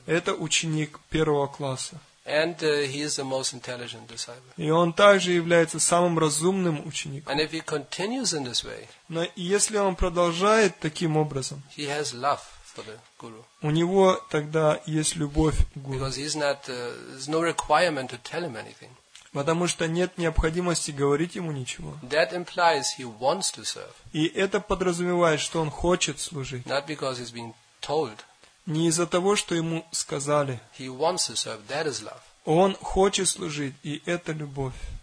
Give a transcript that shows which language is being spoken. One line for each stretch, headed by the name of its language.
Russian: Это ученик первого класса.
English: And he is the most intelligent disciple.
Russian: И он также является самым разумным учеником.
English: And if he continues in this way,
Russian: но если он продолжает таким образом,
English: he has love for the guru.
Russian: У него тогда есть любовь к гуру.
English: Because he's not, there's no requirement to tell him anything.
Russian: Потому что нет необходимости говорить ему ничего.
English: That implies he wants to serve.
Russian: И это подразумевает, что он хочет служить.
English: Not because he's being told.
Russian: Не из-за того, что ему сказали.
English: He wants to serve. That is love.
Russian: Он хочет служить, и это любовь.